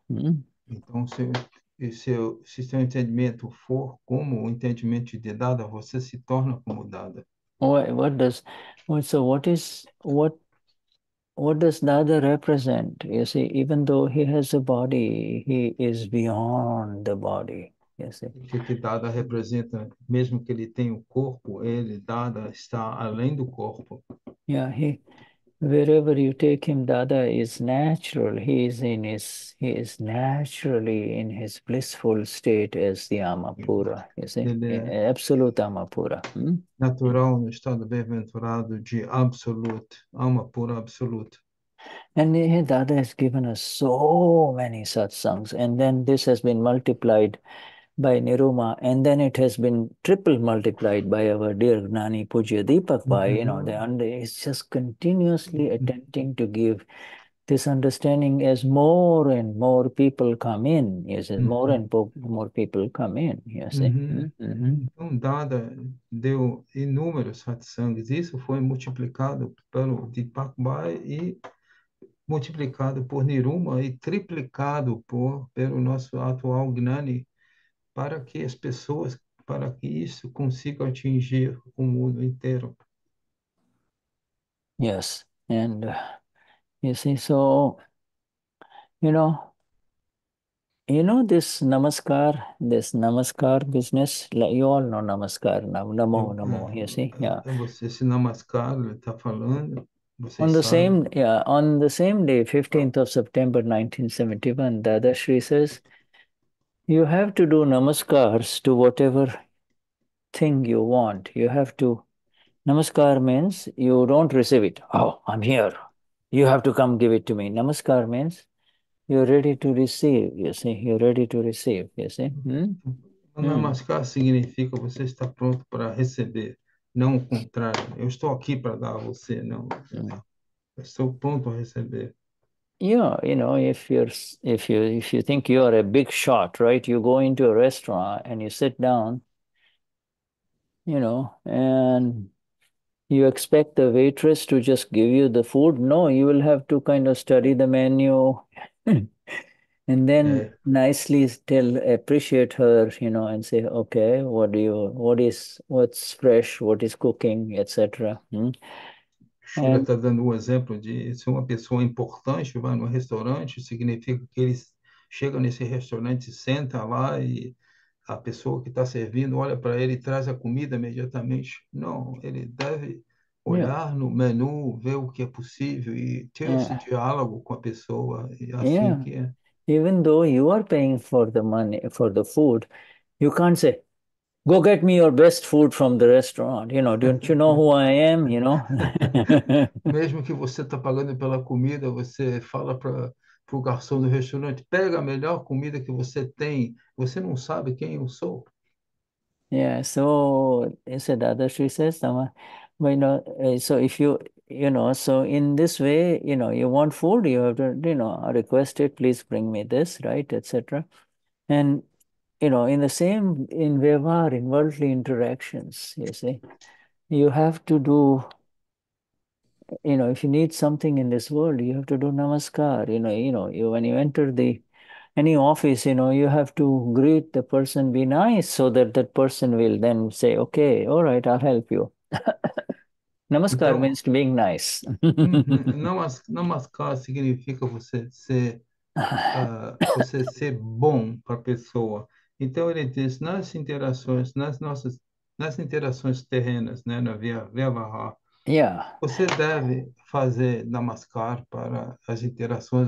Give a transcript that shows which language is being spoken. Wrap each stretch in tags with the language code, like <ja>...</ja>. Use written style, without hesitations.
<pt>Então, se seu entendimento for como o entendimento de Dada, você se torna como Dada.</pt> <en>What does, so what is, what does Dada represent? You see, even though he has a body, he is beyond the body. You see.</en> <pt>O que Dada representa, mesmo que ele tenha o corpo, ele, Dada, está além do corpo.</pt> <en>Yeah, Wherever you take him, Dada is natural. He is in his, he is naturally in his blissful state as the Amapura, you see, absolute Amapura. Hmm?</en> <pt>Natural no estado bem-aventurado de absoluto, alma pura absoluta.</pt> <en>And Dada has given us so many satsangs, and then this has been multiplied by Niruma, and then it has been triple multiplied by our dear Gnani Pujya Deepak Bhai, you know, and it's just continuously attempting to give this understanding as more and more people come in, you see, more and more people come in, you see.</en> <pt>Então, Dada deu inúmeros satsangs. Isso foi multiplicado pelo Deepak Bhai e multiplicado por Niruma e triplicado por pelo nosso atual Gnani para que as pessoas, para que isso consiga atingir o mundo inteiro.</pt> <en>Yes, and you see, so, you know this namaskar business, like you all know namaskar, namo, namo, you see, yeah.</en> <pt>Você se namaskar, ele está falando, vocês</pt> <en>on the Same, yeah, on the same day, 15th of September, 1971, Dadashri says, you have to do namaskars to whatever thing you want, you have to. Namaskar means you don't receive it. Oh, I'm here. You have to come give it to me. Namaskar means you're ready to receive, you see. You're ready to receive, you see.</en> <pt>Namaskar significa você está pronto para receber, não o contrário. Eu estou aqui para dar a você, não. Eu estou pronto a receber.</pt> <en>Yeah, you know, if you think you are a big shot, right? You go into a restaurant and you sit down, you know, and you expect the waitress to just give you the food? No, you will have to kind of study the menu and then nicely tell, appreciate her, you know, and say, okay, what's fresh, what is cooking, etc.</en> <pt>Shuddha está dando exemplo de se uma pessoa importante vai no restaurante, significa que eles chegam nesse restaurante, senta lá e a pessoa que está servindo olha para ele e traz a comida imediatamente. Não, ele deve olhar no menu, ver o que é possível e ter esse diálogo com a pessoa e assim que é.</pt> <en>Even though you are paying for the money, for the food, you can't say, go get me your best food from the restaurant. You know, don't you know who I am, you know?</en> <pt>Mesmo que você está pagando pela comida, você fala para o garçom do restaurante, pega a melhor comida que você tem, você não sabe quem eu sou.</pt> <en>Yeah, so it's a Dadashri system. But, you know, so if you, you know, so in this way, you know, you want food, you have to, you know, request it, please bring me this, right, etc. And, you know, in the same, in vyavahar, in worldly interactions, you see, you have to do, you know, if you need something in this world, you have to do namaskar, you know, when you enter the, any office, you know, you have to greet the person, be nice, so that that person will then say, okay, all right, I'll help you. Namaskar</en> <pt>então,</pt> <en>means to being nice.</en> <pt>Namaskar significa você ser bom para a pessoa. Então ele diz nas interações terrenas, né, na vyavahar.</pt> <en>Yeah.</en> <pt>Você deve fazer namaskar para as interações.</pt>